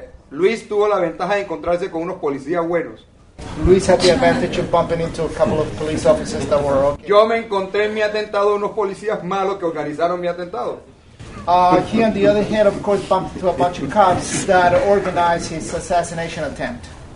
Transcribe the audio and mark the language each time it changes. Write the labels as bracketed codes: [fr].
[es] Luis tuvo la ventaja de encontrarse con unos policías buenos. [en] Luis had the advantage of bumping into a couple of police officers that were okay. [es] Yo me encontré en mi atentado unos policías malos que organizaron mi atentado. [en] He, on the other hand, of course, bumped into a bunch of cops that organized his assassination attempt.